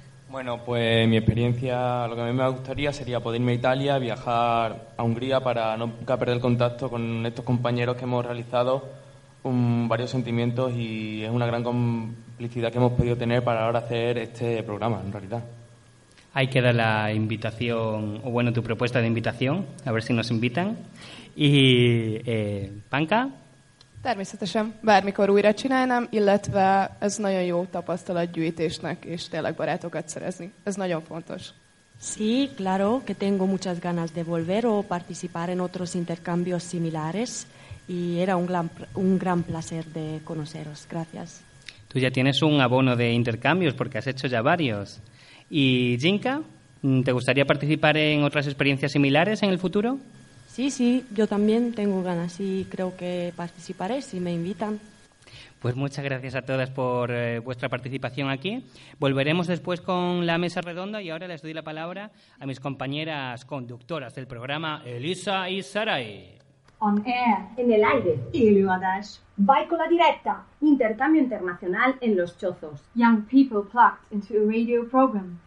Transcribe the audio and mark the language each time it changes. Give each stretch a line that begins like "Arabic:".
Spanish: Bueno, pues mi experiencia, lo que a mí me gustaría sería poder irme a Italia, viajar a Hungría para nunca perder contacto con estos compañeros que hemos realizado varios sentimientos y es una gran complicidad que hemos podido tener para ahora hacer este programa, en realidad. Ahí queda la invitación, o bueno, tu propuesta de invitación, a ver si nos invitan. Y, Panka.
Hungarian: Természetesen, bármikor újra csinálnám, illetve ez nagyon jó tapasztalatgyűjtésnek, és tényleg barátokat szerezni. Ez nagyon fontos.
Spanish: Sí, claro, que tengo muchas ganas de volver o participar en otros intercambios similares, y era un gran placer de conoceros. Gracias. Tú ya tienes un abono de intercambios, porque has hecho ya varios. ¿Y Jinka, te gustaría participar en otras experiencias similares en el futuro? Sí, sí, yo también tengo ganas y creo que participaré si me invitan. Pues muchas gracias a todas por vuestra participación aquí. Volveremos después con la mesa redonda y ahora les doy la palabra a mis compañeras conductoras del programa, Elisa y Sarai.
English: On air,
Spanish: en el aire, Iluadas, vai con la directa, intercambio internacional en los chozos,
English: young people plucked into a radio program,